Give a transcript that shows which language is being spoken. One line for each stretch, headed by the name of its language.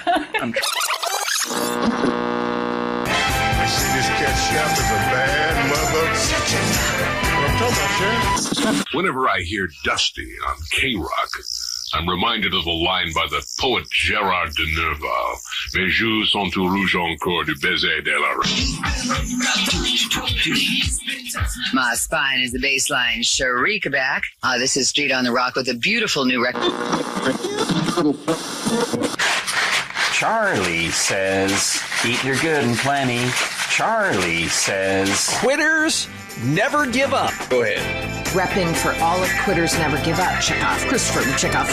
English: I see this cat shop is a bad mother. Whenever I hear Dusty on K-Rock, I'm reminded of a line by the poet Gérard de Nerval.
French: Mes joues sont tout rouge encore du baiser de la rue.
English: My spine is the baseline, Cherie Quebec. This is Street on the Rock with a beautiful new record. Charlie says, eat your good and plenty. Charlie says, quitters never give up. Go ahead. Repping for all of Quitters Never Give Up. Check off Christopher. Check off